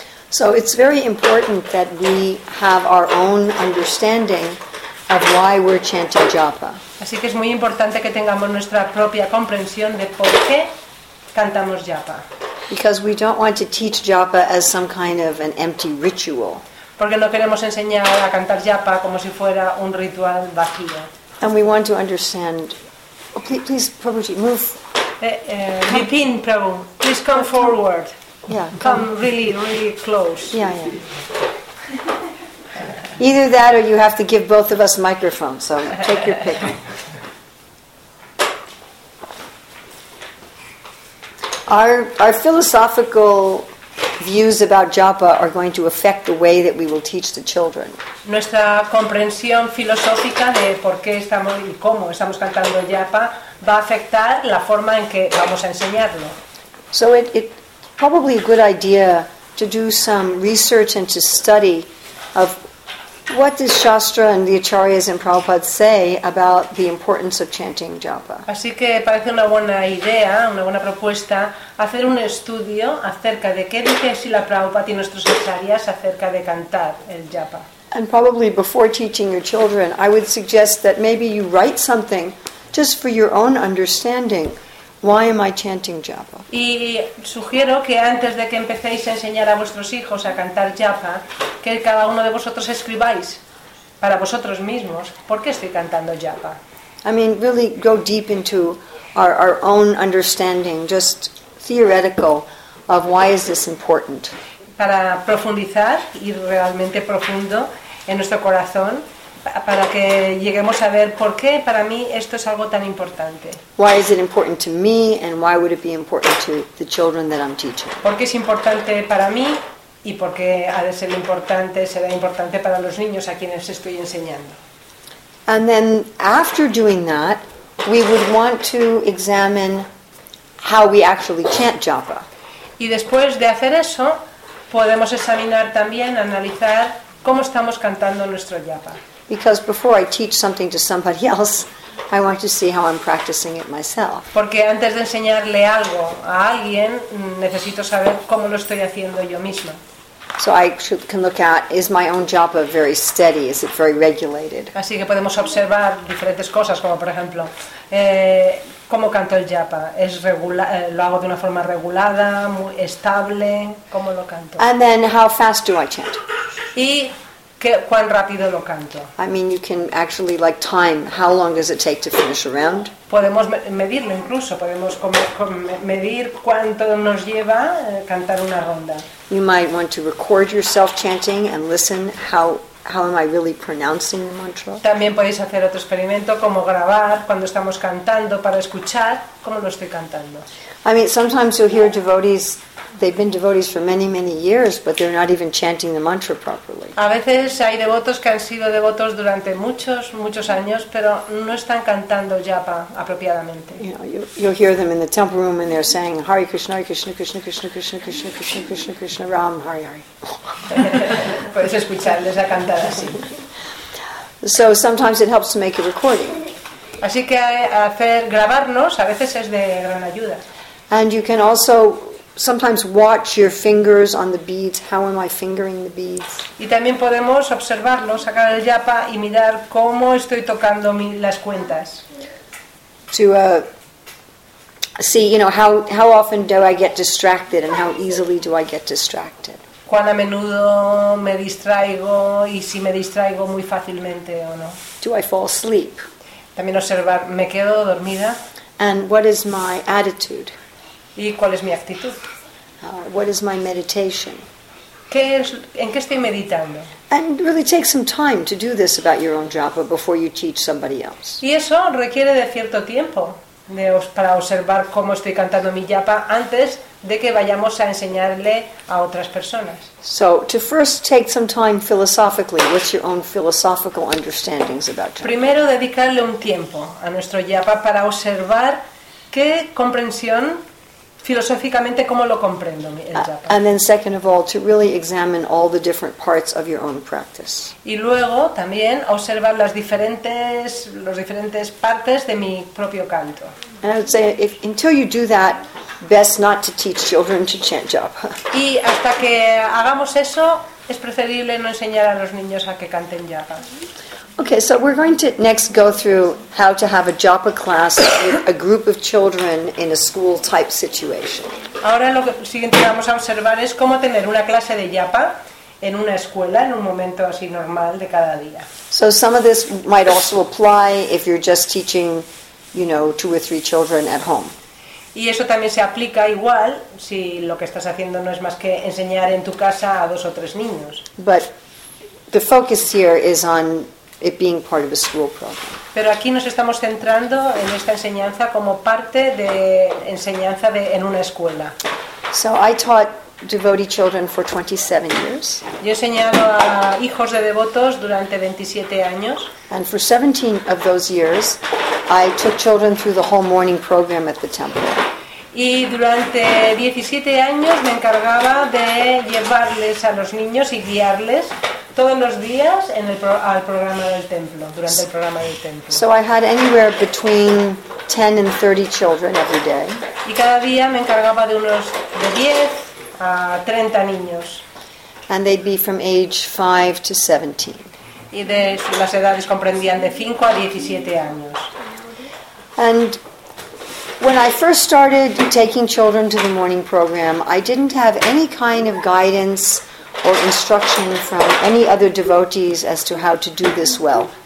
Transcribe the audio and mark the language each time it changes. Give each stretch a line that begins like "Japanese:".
English: So it's very important that we have our own understanding of why we're chanting japa.
Spanish: Así que es muy importante que tengamos nuestra propia comprensión de por qué cantamos japa.
English: Because we don't want to teach japa as some kind of an empty ritual.
Spanish: Porque no queremos enseñar a cantar japa como si fuera un ritual vacío.
English: And we want to understand. Oh, please, Prabhuji, move. Vipin, Prabhu, please come forward. Yeah, come really, really close. Yeah, yeah. Either that, or you have to give both of us microphones. So take your pick. Our philosophical views about japa are going to affect the way that we will teach the children.
Spanish: Nuestra comprensión filosófica de por qué estamos y cómo estamos cantando japa va a afectar la forma en que vamos a enseñarlo.
English: So it probably a good idea to do some research and to study of what does Shastra and the Acharyas and Prabhupada say about the importance of chanting japa?
Spanish: Así que parece una buena idea, una buena propuesta, hacer un estudio acerca de qué dice Srila Prabhupada y nuestros acharyas acerca de cantar el japa.
English: And probably before teaching your children, I would suggest that maybe you write something just for your own understanding. Why am I chanting japa?
Spanish: Y sugiero que antes de que empecéis a enseñar a vuestros hijos a cantar japa, que cada uno de vosotros escribáis para vosotros mismos por qué estoy cantando japa.
English: I mean, really go deep into our own understanding, just theoretical, of why is this important.
Spanish: Para profundizar, ir realmente profundo en nuestro corazón, para que lleguemos a ver por qué para mí esto es algo tan importante.
English: Why is it important to me and why would it be important to the children that I'm teaching?
Spanish: ¿Por qué es importante para mí y por qué ha de ser importante, será importante para los niños a quienes estoy enseñando?
English: And then after doing that, we would want to examine how we actually chant japa.
Spanish: Y después de hacer eso, podemos examinar también, analizar cómo estamos cantando nuestro japa.
English: Because before I teach something to somebody else, I want to see how I'm practicing it myself.
Spanish: Porque antes de enseñarle algo a alguien, necesito saber cómo lo estoy haciendo yo misma.
English: So I can look at, is my own japa very steady? Is it very regulated?
Spanish: Así que podemos observar diferentes cosas, como por ejemplo, ¿cómo canto el japa? ¿Es regular, lo hago de una forma regulada, muy estable? ¿Cómo lo canto?
English: And then how fast do I chant?
Spanish: Y ¿cuán rápido lo canto?
English: I mean, you can actually like time how long does it take to finish a round.
Spanish: Podemos medirlo incluso, podemos medir cuánto nos lleva cantar una ronda.
English: You might want to record yourself chanting and listen how am I really pronouncing the mantra.
Spanish: También podéis hacer otro experimento como grabar cuando estamos cantando para escuchar cómo lo estoy cantando.
English: I mean, sometimes you'll hear devotees, they've been devotees for many, many years, but they're not even chanting the mantra properly.
Spanish: A veces hay devotos que han sido devotos durante muchos, muchos años, pero no están cantando japa apropiadamente.
English: You know, you'll hear them in the temple room and they're saying, Hare Krishna, Hare Krishna, Krishna Krishna, Krishna Krishna, Krishna Krishna, Krishna Krishna, Ram, Hare Hare.
Spanish: Puedes escucharles a cantar así.
English: So sometimes it helps to make a recording.
Spanish: Así que hacer grabarnos a veces es de gran ayuda.
English: And you can also sometimes watch your fingers on the beads. How am I fingering the beads?
Spanish: Y también podemos observarlo, sacar el japa y mirar cómo estoy tocando las cuentas.
English: To see, you know, how often do I get distracted and how easily do I get distracted?
Spanish: ¿Cuán a menudo me distraigo y si me distraigo muy fácilmente o no?
English: Do I fall asleep?
Spanish: También observar, ¿me quedo dormida?
English: And what is my attitude?
Spanish: ¿Y cuál es mi actitud?
English: What is my meditation?
Spanish: ¿En qué estoy meditando?
English: And really take some time to do this about your own japa before you teach somebody else.
Spanish: Y eso requiere de cierto tiempo para observar cómo estoy cantando mi japa antes de que vayamos a enseñarle a otras personas.
English: So, to first take some time philosophically, what's your own philosophical understandings about japa?
Spanish: Primero dedicarle un tiempo a nuestro japa para observar qué comprensión filosóficamente, ¿cómo lo comprendo el japa?
English: And then second of all, to really examine all the different parts of your own practice.
Spanish: Y luego también observar las diferentes partes de mi propio canto.
English: And I would say, until you do that, best not to teach children to chant japa.
Spanish: Y hasta que hagamos eso, es preferible no enseñar a los niños a que canten japa.
English: Okay, so we're going to next go through how to have a japa class with a group of children in a school type situation.
Spanish: Ahora lo siguiente que vamos a observar es cómo tener una clase de japa en una escuela en un momento así normal de cada día.
English: So some of this might also apply if you're just teaching, you know, two or three children at home.
Spanish: Y eso también se aplica igual si lo que estás haciendo no es más que enseñar en tu casa a dos o tres niños.
English: But the focus here is on it being part of a school program.
Spanish: Pero aquí nos estamos centrando en esta enseñanza como parte de enseñanza en una escuela.
English: So I taught devotee children for 27 years.
Spanish: Yo he enseñado a hijos de devotos durante 27 años.
English: And for 17 of those years, I took children through the whole morning program at the temple.
Spanish: Y durante 17 años me encargaba de llevarles a los niños y guiarles todos los días en el al programa del templo, durante el programa del templo.
English: So I had anywhere between 10 and 30 children every day.
Spanish: Y cada día me encargaba de unos de 10 a 30 niños.
English: And they'd be from age 5 to 17.
Spanish: Y de las edades comprendían de 5 a 17 años.
English: And when I first started taking children to the morning program, I didn't have any kind of guidance or instruction from any other devotees as to how to do this well.